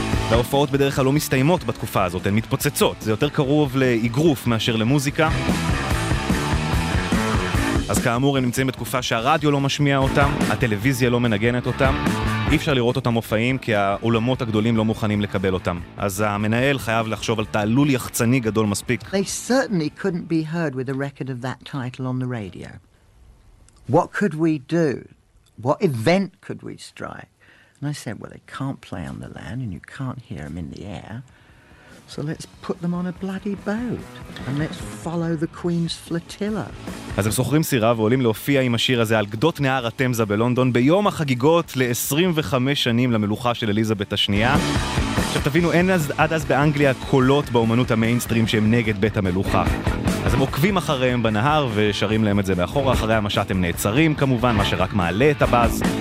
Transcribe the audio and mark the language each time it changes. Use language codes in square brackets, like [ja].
[he] וההופעות בדרך כלל לא מסתיימות בתקופה הזאת, הן מתפוצצות. זה יותר קרוב לאגרוף מאשר למוזיקה. אז כאמור, הם נמצאים בתקופה שהרדיו לא משמיע אותם, הטלוויזיה לא מנגנת אותם, אי אפשר לראות אותם מופעים כי האולמות הגדולים לא מוכנים לקבל אותם. אז המנהל חייב לחשוב על תעלול יחצני גדול מספיק. [en] They certainly couldn't be heard with a record of that title on the radio. What could we do? What event could we strike? And I said, well, they can't play on the land and you can't hear them in the air. So let's put them on a bloody boat and let's follow the Queen's flotilla. [he] אז הם סוחרים סירה ועולים להופיע עם השיר הזה על גדות נהר התמזה בלונדון ביום החגיגות ל-25 שנים למלוכה של אליזבת השנייה. עכשיו תבינו, אין עד אז באנגליה קולות באומנות המיינסטרים שהם נגד בית המלוכה. אז הם עוקבים אחריהם בנהר ושרים להם את זה מאחורה. אחרי המשט הם נעצרים, כמובן, מה שרק מעלה את הבאז.